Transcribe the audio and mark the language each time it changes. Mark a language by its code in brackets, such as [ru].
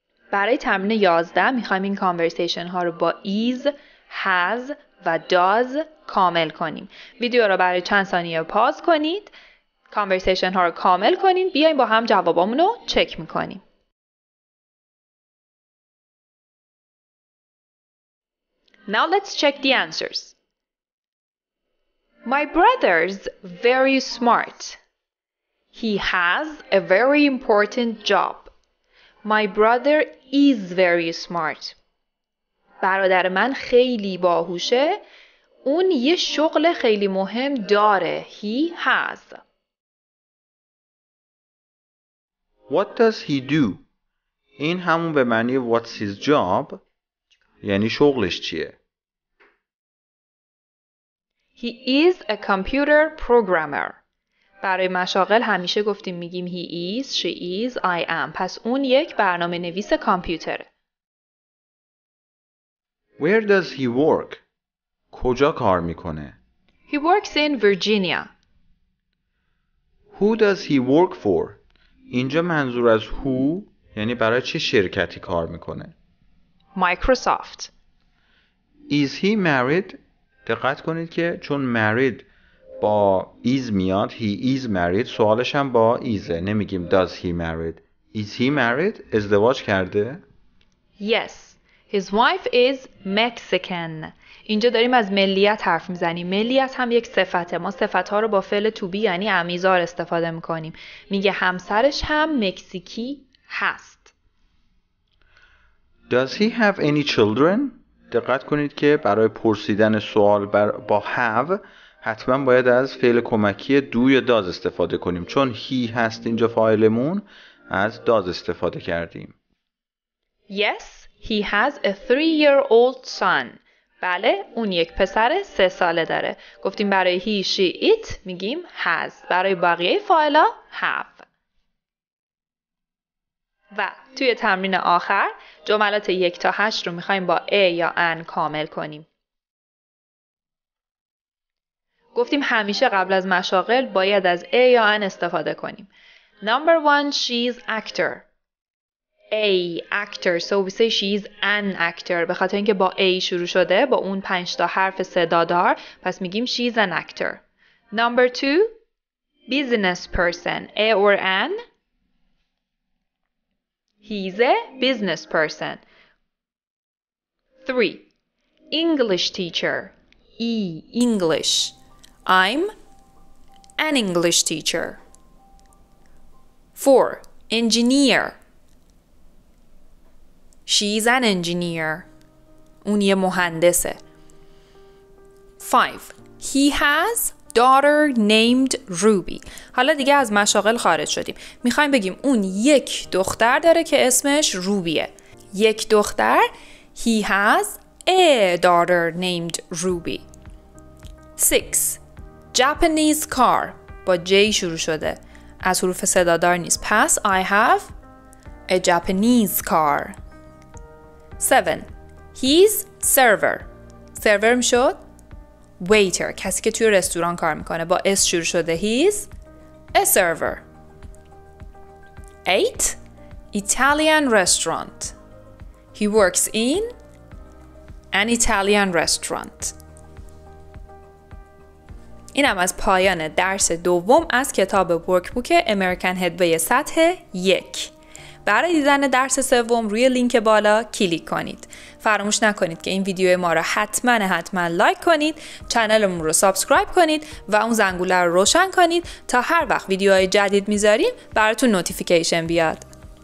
[fa] برای تمرین 11 میخوایم این کانورسیشن ها رو با is, has و does کامل کنیم. ویدیو رو برای چند ثانیه پاز کنید. کانورسیشن ها رو کامل کنید. بیاییم با هم جوابامون رو چک میکنیم. [en] Now let's check the answers. My brother's very smart. He has a very important job. My brother is very smart. [fa] برادر من خیلی باهوشه. اون یه شغل خیلی مهم داره. [en] He has. What does he do? [fa] این همون به معنی [en] what's his job؟ [fa] یعنی شغلش چیه؟ [en] He is a computer programmer. [fa] برای مشاغل همیشه گفتیم میگیم [en] he is, she is, I am. [fa] پس اون یک برنامه نویس کامپیوتره. [en] Where does he work? [fa] کجا کار میکنه؟ [en] He works in Virginia. Who does he work for? [fa] اینجا منظور از who یعنی برای چه شرکتی کار میکنه؟ [en] Microsoft. Is he married? [fa] دقت کنید که چون married با is میاد. [en] He is married. [fa] سوالش هم با ایزه. نمیگیم [en] does he married. Is he married? [fa] ازدواج کرده؟ [en] Yes. His wife is Mexican. [fa] اینجا داریم از ملیت حرف میزنیم. ملیت هم یک صفته. ما صفتها رو با فعل to be یعنی امیزار استفاده میکنیم. میگه همسرش هم مکزیکی هست. [en] Does he have any children? [fa] دقت کنید که برای پرسیدن سوال با have حتما باید از فعل کمکی do یا does استفاده کنیم. چون he هست اینجا فاعلمون، از does استفاده کردیم. [en] Yes, he has a 3-year-old son. [fa] بله، اون یک پسر 3 ساله داره. گفتیم برای he, she, it میگیم has. برای بقیه فاعلا have. و توی تمرین آخر جملات 1-8 رو میخواییم با a یا an کامل کنیم. گفتیم همیشه قبل از مشاغل باید از A یا N استفاده کنیم. [en] Number one, she's actor. A, actor. So we say she's an actor. [fa] به خاطر اینکه با A شروع شده، با اون 5 تا حرف صدادار، پس میگیم [en] she's an actor. Number two, business person. A or an? He's a business person. Three, English teacher. E, English. I'm an English teacher. 4. Engineer. She's an engineer. [fa] اون یه مهندسه. [en] 5. He has daughter named Ruby. [fa] حالا دیگه از مشاغل خارج شدیم. میخوایم بگیم اون یک دختر داره که اسمش روبیه. یک دختر. [en] He has a daughter named Ruby. 6. [fa] Japanese car با J شروع شده، از حروف صدادار نیست، پس [en] I have a Japanese car. 7. He's server. [fa] Server میشد waiter، کسی که توی رستوران کار میکنه، با S شروع شده. [en] He's a server. 8. Italian restaurant. He works in an Italian restaurant. [fa] اینم از پایان درس دوم از کتاب ورکبوک امریکن هدوی سطح 1. برای دیدن درس سوم روی لینک بالا کلیک کنید. فراموش نکنید که این ویدیو ما را حتما لایک کنید، چنلمون رو سابسکرایب کنید و اون زنگوله رو روشن کنید تا هر وقت ویدیوهای جدید میذاریم براتون نوتیفیکیشن بیاد.